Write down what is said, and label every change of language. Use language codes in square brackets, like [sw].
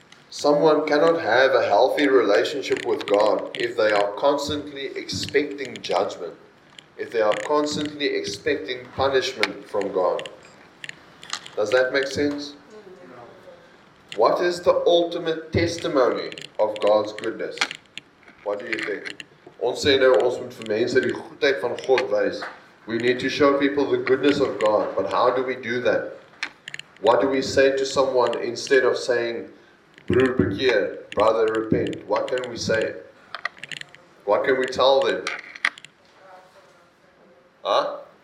[en] Someone cannot have a healthy relationship with God if they are constantly expecting judgment, if they are constantly expecting punishment from God. Does that make sense? What is the ultimate testimony of God's goodness? What do you think? [af] Ons sê nou ons moet vir mense die goedheid van God wys. [en] We need to show people the goodness of God. But how do we do that? What do we say to someone instead of saying, [af] broer bekeer, [en] brother repent? What can we say? What can we tell them? Huh?